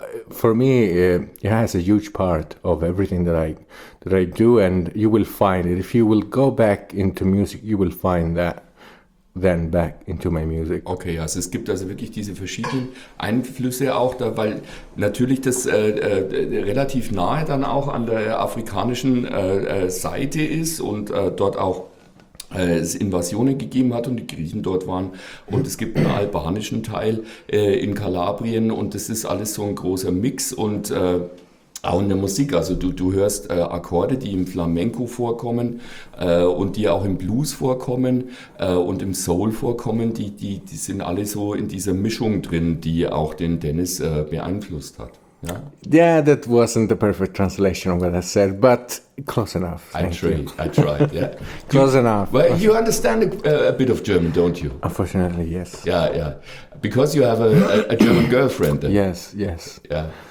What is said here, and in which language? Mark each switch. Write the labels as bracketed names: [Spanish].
[English] For me, it has a huge part of everything that I do, and you will find it. If you will go back into music, you will find that then back into my music. [German] Okay, also es gibt also wirklich diese verschiedenen Einflüsse auch da, weil natürlich das relativ nahe dann auch an der afrikanischen Seite ist und dort auch es Invasionen gegeben hat und die Griechen dort waren, und es gibt einen albanischen Teil in Kalabrien, und das ist alles so ein großer Mix. Und auch in der Musik, also du hörst Akkorde, die im Flamenco vorkommen und die auch im Blues vorkommen und im Soul vorkommen, die sind alle so in dieser Mischung drin, die auch den Dennis beeinflusst hat. [English] Yeah, that wasn't the perfect translation of what I said, but close enough. I tried, yeah. Close enough. Well, you understand a bit of German, don't you? Unfortunately, yes. Yeah, yeah. Because you have a German girlfriend. Then. Yes, yes. Yeah.